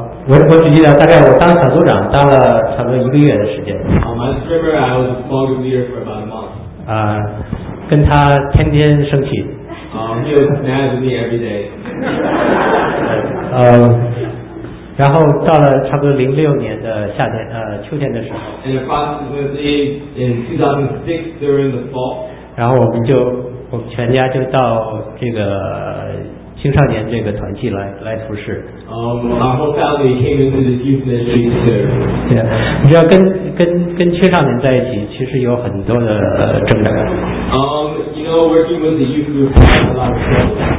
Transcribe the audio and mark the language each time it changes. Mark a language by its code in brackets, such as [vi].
[zh] 我只记得大概我当小组长当了差不多一个月的时间。 [en] I was a small group leader for about a month. [zh] 跟他天天生气。 [en] He was mad with me every day. [zh] 然后到了差不多2006年的夏天秋天的时候。 [en] And approximately in 2006 during the fall. [zh] 然后我们全家就到这个。青少年这个团契来服侍。 [en] Our whole family came into this youth ministry to serve. [zh] 对，你知道跟青少年在一起，其实有很多的挣扎。 [en] You know, working with the youth group has a lot of trouble.